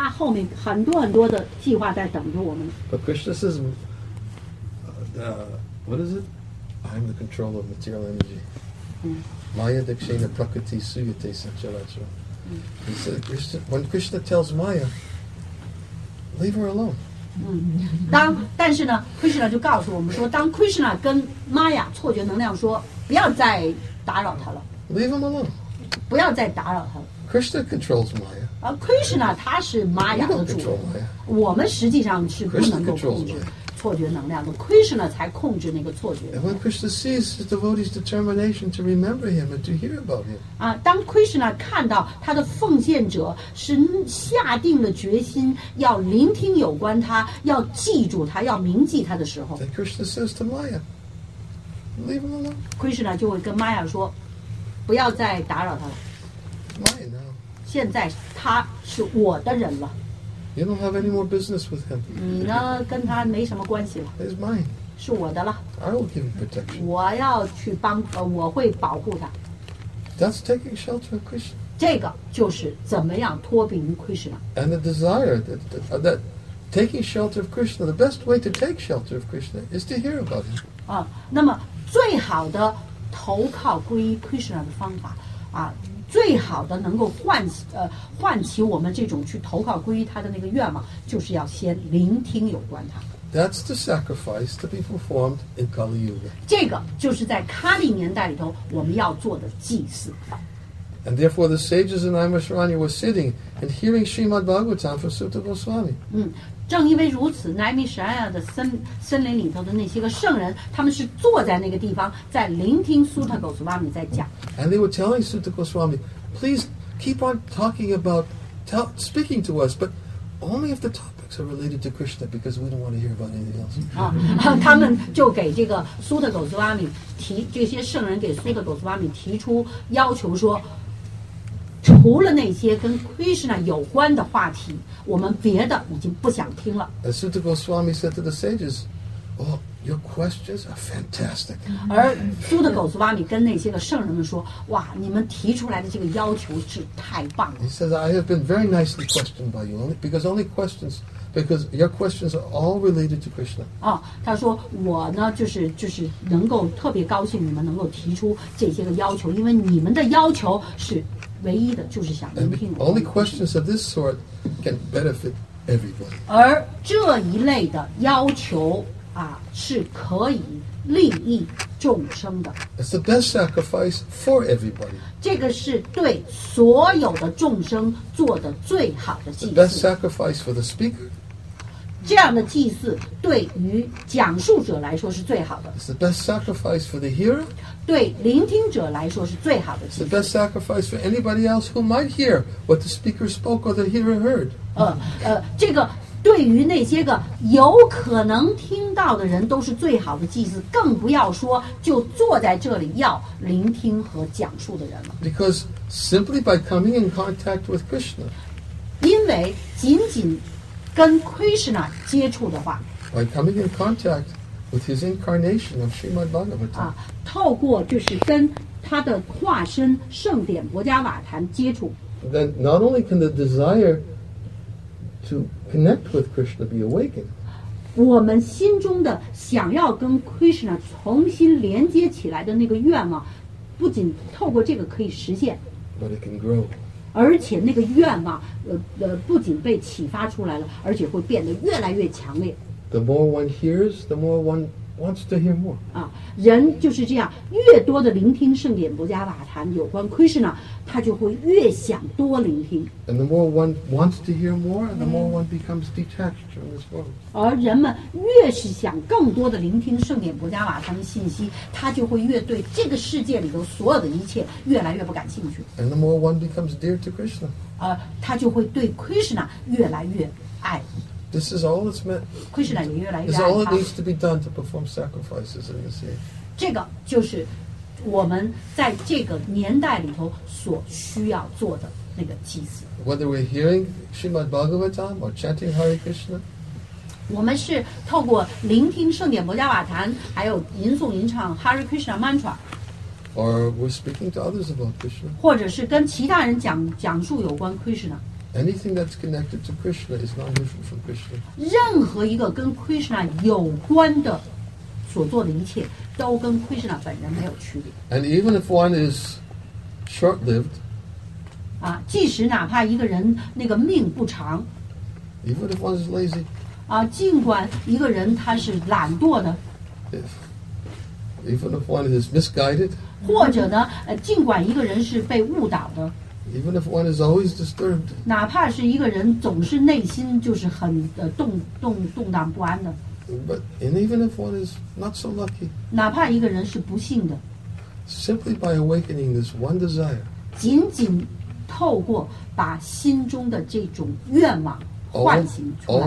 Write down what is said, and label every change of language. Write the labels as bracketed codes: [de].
[zh] 但是实际上，玛雅比我们要强大的多了。我们什么就是努力克服一个障碍。我告诉你，他后面很多很多的计划在等着我们。 [en] But Krishna says, what is it? I'm the controller of material energy. [sa] Maya dakshina prakriti suyate sacharachara. [en] He said, when Krishna tells Maya, leave her alone. [zh] 但是呢, Krishna 就告诉我们说, 当 Krishna 跟 Maya 错觉能量说, 不要再打扰他了。 [en] Leave him alone. [zh] 不要再打扰他了。 [en] Krishna controls Maya. [zh] Krishna 他是 Maya 的主人。我们实际上是不能够控制错觉能量的。 Krishna 才控制那个错觉能量。 [en] And when Krishna sees his devotee's determination to remember him and to hear about him, [zh] 当 Krishna 看到他的奉献者是下定了决心要聆听有关他，要记住他，要铭记他的时候， [en] then Krishna says to Maya, leave him alone. [zh] Krishna 就会跟 Maya 说, 不要再打扰他了。 [en] Maya now. [zh] 现在他是我的人了。 [en] You don't have any more business with him. [zh] 你呢，跟他没什么关系了。 [en] He's mine. [zh] 是我的了。 [en] I will give him protection. [zh] 我要去帮，我会保护他。 [en] That's taking shelter of Krishna. [zh] 这个就是怎么样脱贫于 Krishna. [en] And the desire that taking shelter of Krishna, the best way to take shelter of Krishna is to hear about him. [zh] 那么最好的投靠归 Krishna 的方法, 最好的能够唤起我们这种去投靠归于他的那个愿望，就是要先聆听有关他。 [en] That's the sacrifice to be performed in Kali Yuga. [zh] 这个就是在卡利年代里头我们要做的祭祀。 [en] And therefore, the sages in Naimisharanya were sitting and hearing Srimad Bhagavatam for Sutta Goswami. [zh] 正因为如此，南密舍亚的森林里头的那些个圣人，他们是坐在那个地方，在聆听苏特狗苏妈咪在讲。 [en] And they were telling Sutta Goswami, please keep on talking about, speaking to us, but only if the topics are related to Krishna, because we don't want to hear about anything else. [zh] 他们就给这个苏特狗苏妈咪提，这些圣人给苏特狗苏妈咪提出要求说。除了那些跟 Krishna 有关的话题，我们别的已经不想听了。 [en] As Sutta Goswami said to the sages, "Oh, your questions are fantastic." [zh] 而 Sutta Goswami 跟那些个圣人们说，哇，你们提出来的这个要求是太棒了。 [en] He says, "I have been very nicely questioned by you, because your questions are all related to Krishna." [zh] 啊，他说我呢，就是能够特别高兴你们能够提出这些个要求，因为你们的要求是。唯一的就是想聆听。 [en] Only questions of this sort can benefit everybody. [zh] 而这一类的要求啊，是可以利益众生的。 [en] It's the best sacrifice for everybody. [zh] 这个是对所有的众生做的最好的祭祀。 [en] The best sacrifice for the speaker. [zh] 这样的祭祀对于讲述者来说是最好的。 [en] It's the best sacrifice for the hearer. [zh] 对聆听者来说是最好的。 [en] It's the best sacrifice for anybody else who might hear what the speaker spoke or the hearer heard. [zh] 这个对于那些个有可能听到的人都是最好的祭祀，更不要说就坐在这里要聆听和讲述的人了。 [en] Because simply by coming in contact with Krishna, [zh] 因为仅仅跟 Krishna 接触的话 [en] ，by coming in contact. With his incarnation of Srimad Bhagavatam. [zh] 透过就是跟他的化身圣典博迦瓦坛接触。 [en] Then not only can the desire to connect with Krishna be awakened. [zh] 我们心中的想要跟 Krishna 重新连接起来的那个愿望，不仅透过这个可以实现。 [en] But it can grow. [zh] 而且那个愿望，不仅被启发出来了，而且会变得越来越强烈。 [en] The more one hears, the more one wants to hear more. [zh] 人就是这样，越多的聆听圣典博迦瓦坛有关 Krishna， 他就会越想多聆听。 [en] And the more one wants to hear more, the more one becomes detached from this world. [zh] 而人们越是想更多的聆听圣典博迦瓦坛的信息，他就会越对这个世界里头所有的一切越来越不感兴趣。 [en] And the more one becomes dear to Krishna. [zh] 他就会对 Krishna 越来越爱。 [en] This is all that's meant. [zh] Krishna 也越来越爱他。 [en] This is all that needs to be done to perform sacrifices in this age. [zh] 这个就是我们在这个年代里头所需要做的那个祭祀。 [en] Whether we're hearing Srimad Bhagavatam or chanting Hare Krishna, [zh] 我们是透过聆听圣典博迦瓦坛，还有吟诵吟唱 Hare Krishna mantra, [en] or we're speaking to others about Krishna, [zh] 或者是跟其他人讲述有关 Krishna. [en] Anything that's connected to Krishna is not different from Krishna. [zh] 任何一个跟 Krishna 有关的所做的一切都跟 Krishna 本人没有区别。 [en] And even if one is short-lived, [zh] 即使哪怕一个人那个命不长 [en] even if one is lazy, [zh] 尽管一个人他是懒惰的 [en] even if one is misguided, [zh] 或者呢，尽管一个人是被误导的 [en] Even if one is always disturbed, [zh] 哪怕是一个人总是内心就是很动荡不安的 [en] But even if one is not so lucky, [zh] 哪怕一个人是不幸的 [en] Simply by awakening this one desire, [zh] 仅仅透过把心中的这种愿望唤醒出来